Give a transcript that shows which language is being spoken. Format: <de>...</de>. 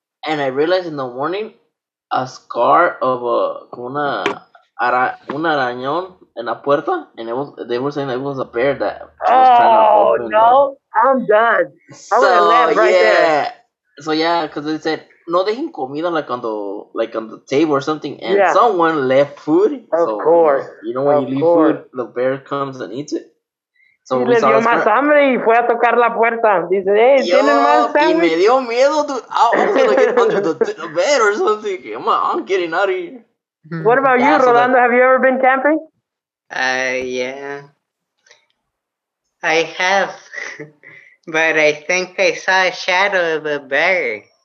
<en>and I realized in the morning, a scar of</en> <es>una arañón en la puerta,</es> <en>and they were saying that it was a bear that was trying to open. Oh no! I'm done. Because they said</en> <es>no dejen comida</es> <en>on the table or something, and someone left food. Of course, when you leave food, the bear comes and eats it.</en> <es>So y le dio más hambre y fue a tocar la puerta. Dice, hey, ¿tienen más hambre? Y me dio miedo, dude.</es> <en>I was going to get under the bed or something. I'm getting out of here. What about you, Rolando? Have you ever been camping? Yeah. I have. But I think I saw a shadow of a bear.</en>